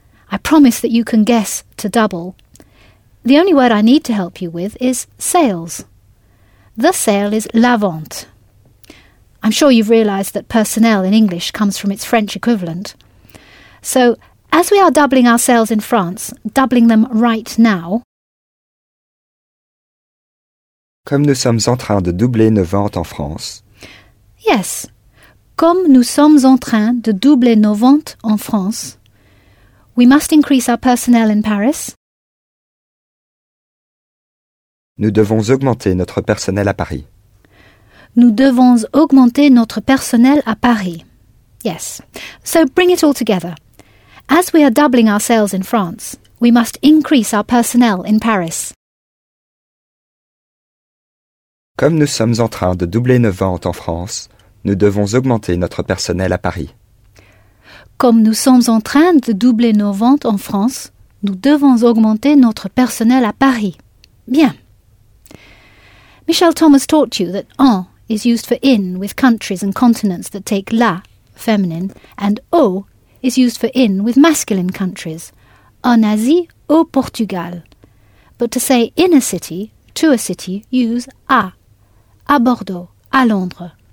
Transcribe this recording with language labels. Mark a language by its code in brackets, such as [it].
[en] I promise that you can guess to double. The only word I need to help you with is sales. The sale is [fr] la vente. [en] I'm sure you've realised that personnel in English comes from its French equivalent. So, as we are doubling our sales in France, doubling them right now. [fr] Comme nous sommes en train de doubler nos ventes en France. [en] Yes. [fr] Comme nous sommes en train de doubler nos ventes en France. [en] We must increase our personnel in Paris. [fr] Nous devons augmenter notre personnel à Paris. Nous devons augmenter notre personnel à Paris. [en] Yes. So bring it all together. As we are doubling our sales in France, we must increase our personnel in Paris. [fr] Comme nous sommes en train de doubler nos ventes en France, nous devons augmenter notre personnel à Paris. Comme nous sommes en train de doubler nos ventes en France, nous devons augmenter notre personnel à Paris. Bien. [en] Michel Thomas taught you that en is used for in with countries and continents that take la, feminine, and au is used for in with masculine countries, [fr] en Asie, au Portugal. [en] But to say in a city, to a city, use [fr] à Bordeaux, à Londres.